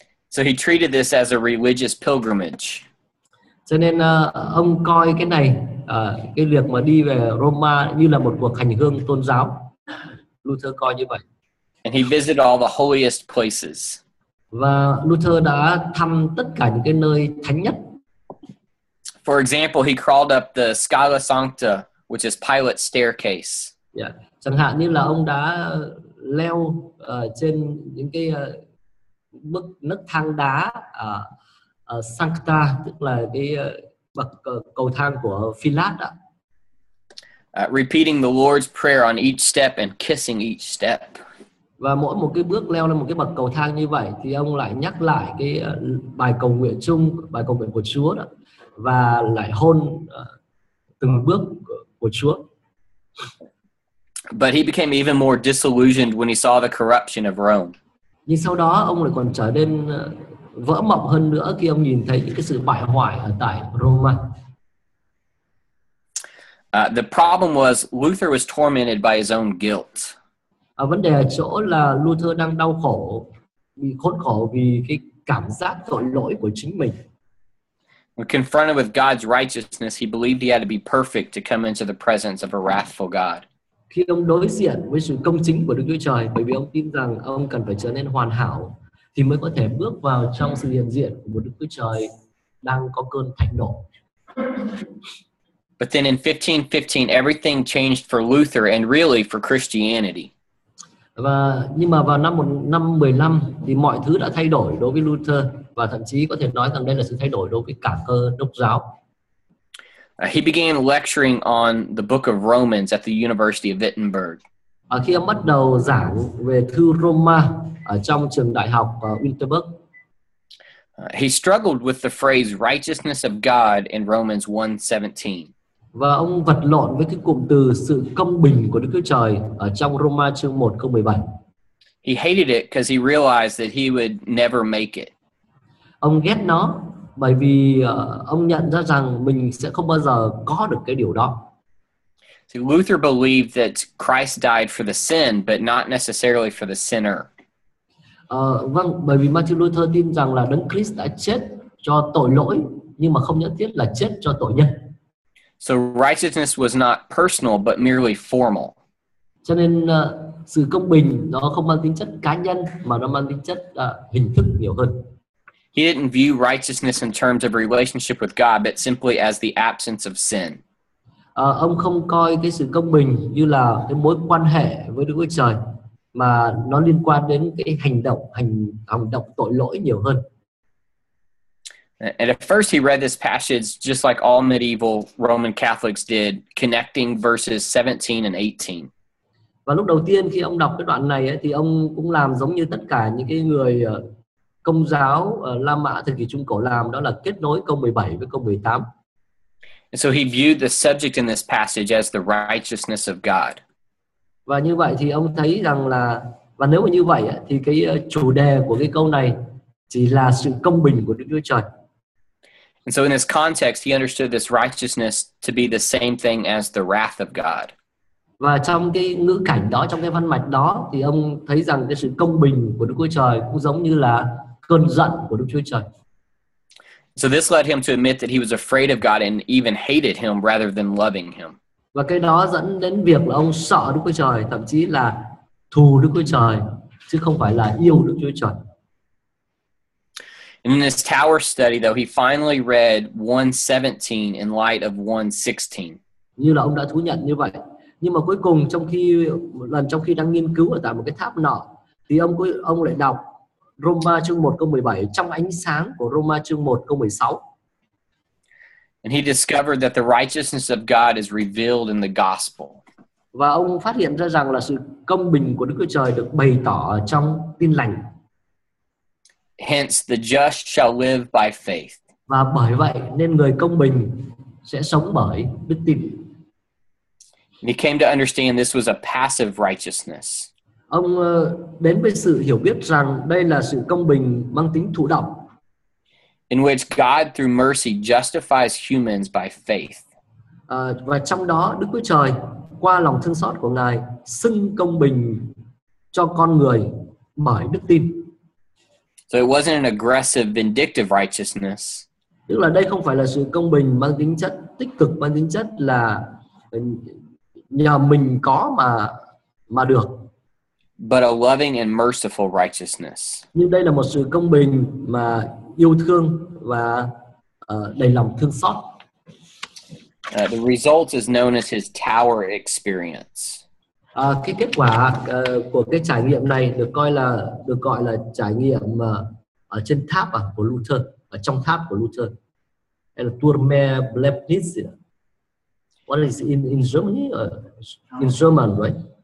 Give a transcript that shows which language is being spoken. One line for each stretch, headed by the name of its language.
English: So he treated this as a religious pilgrimage.
Vietnamese: Cho nên ông coi cái này, cái việc mà đi về Roma như là một cuộc hành hương tôn giáo. Luther coi như vậy.
English: And he visited all the holiest places.
Vietnamese: Và Luther đã thăm tất cả những cái nơi thánh nhất.
English: For example, he crawled up the Scala Sancta, which is Pilate's staircase. Yeah.
Vietnamese: Chẳng hạn như là ông đã leo trên những cái bức nấc thang đá Sancta, tức là cái bậc cầu thang của Pilate.
English: Repeating the Lord's Prayer on each step and kissing each step.
Vietnamese: Và mỗi một cái bước leo lên một cái bậc cầu thang như vậy thì ông lại nhắc lại cái bài cầu nguyện chung, bài cầu nguyện của Chúa đó, và lại hôn từng bước của Chúa.
English: But he became even more disillusioned when he saw the corruption of Rome.
Vietnamese: Nhưng sau đó ông lại còn trở nên vỡ mộng hơn nữa khi ông nhìn thấy những cái sự bại hoại ở tại Roma.
English: The problem was Luther was tormented by his own guilt.
Vietnamese: Vấn đề ở chỗ là Luther đang đau khổ, bị khốn khổ vì cái cảm giác tội lỗi của chính mình.
English: When confronted with God's righteousness, he believed he had to be perfect to come into the presence of a wrathful God.
Vietnamese: Khi ông đối diện với sự công chính của Đức Chúa Trời, bởi vì ông tin rằng ông cần phải trở nên hoàn hảo, thì mới có thể bước vào trong sự hiện diện của một Đức Chúa Trời đang có cơn thạch nổ.
English: But then in 1515, everything changed for Luther and really for Christianity.
Vietnamese: Và nhưng mà vào năm 15 thì mọi thứ đã thay đổi đối với Luther, và thậm chí có thể nói rằng đây là sự thay đổi đối với cả cơ đốc giáo.
English: He began lecturing on the Book of Romans at the University of Wittenberg.
Vietnamese: Khi ông bắt đầu giảng về thư Roma ở trong trường đại học Wittenberg.
English: He struggled with the phrase righteousness of God in Romans 1:17.
Vietnamese: Và ông vật lộn với cái cụm từ sự công bình của Đức Chúa Trời ở trong Roma chương 1 câu 17.
English: He hated it because he realized that he would never make it.
Vietnamese: Ông ghét nó bởi vì ông nhận ra rằng mình sẽ không bao giờ có được cái điều đó.
English: So Luther believed that Christ died for the sin but not necessarily for the sinner.
Vietnamese: Vâng, bởi vì Martin Luther tin rằng là Đấng Christ đã chết cho tội lỗi nhưng mà không nhất thiết là chết cho tội nhân.
English: So righteousness was not personal but merely formal.
Vietnamese: Cho nên sự công bình nó không mang tính chất cá nhân mà nó mang tính chất hình thức nhiều hơn.
English: He didn't view righteousness in terms of relationship with God but simply as the absence of sin.
Vietnamese: Ông không coi cái sự công bình như là cái mối quan hệ với Đức Chúa Trời mà nó liên quan đến cái hành động tội lỗi nhiều hơn.
English: And at first he read this passage just like all medieval Roman Catholics did, connecting verses 17 and 18.
Vietnamese: Và lúc đầu tiên khi ông đọc cái đoạn này ấy, thì ông cũng làm giống như tất cả những cái người công giáo La Mã thời kỳ Trung Cổ làm, đó là kết nối câu 17 với câu 18.
English: And so he viewed the subject in this passage as the righteousness of God.
Vietnamese: Và như vậy thì ông thấy rằng là, và nếu mà như vậy ấy, thì cái chủ đề của cái câu này chỉ là sự công bình của Đức Chúa Trời.
English: And so in this context, he understood this righteousness to be the same thing as the wrath of God.
Vietnamese: Và trong cái ngữ cảnh đó, trong cái văn mạch đó, thì ông thấy rằng cái sự công bình của Đức Chúa Trời cũng giống như là cơn giận của Đức Chúa Trời.
English: So this led him to admit that he was afraid of God and even hated him rather than loving him.
Vietnamese: Và cái đó dẫn đến việc là ông sợ Đức Chúa Trời, thậm chí là thù Đức Chúa Trời, chứ không phải là yêu Đức Chúa Trời.
English: In this tower study, though, he finally read 1:17 in light of 1:16.
Vietnamese: Như là ông đã thú nhận như vậy. Nhưng mà cuối cùng, trong khi đang nghiên cứu ở tại một cái tháp nọ, thì ông lại đọc Roma chương 1 câu 17 trong ánh sáng của Roma chương 1 câu 16.
English: And he discovered that the righteousness of God is revealed in the gospel.
Vietnamese: Và ông phát hiện ra rằng là sự công bình của Đức Chúa Trời được bày tỏ trong tin lành.
English: Hence, the just shall live by faith.
Vietnamese: Và bởi vậy nên người công bình sẽ sống bởi đức tin.
English: And he came to understand this was a passive righteousness.
Vietnamese: Ông đến với sự hiểu biết rằng đây là sự công bình mang tính thụ động.
English: In which God through mercy justifies humans by faith.
Vietnamese: Và trong đó Đức Chúa Trời qua lòng thương xót của Ngài xưng công bình cho con người bởi đức tin.
English: So it wasn't an aggressive vindictive righteousness.
Vietnamese: Tức là đây không phải là sự công bình mang tính chất tích cực, mang tính chất là nhờ mình có mà được.
English: but a loving and merciful righteousness.
Vietnamese: Nhưng đây là một sự công bình mà yêu thương và đầy lòng thương xót.
English: The result is known as his tower experience.
Vietnamese: Cái kết quả của cái trải nghiệm này được gọi là trải nghiệm ở trên tháp của Luther, ở trong tháp của Luther. Hay là
English: Turme Blepnitz. What is in Germany? In German, right?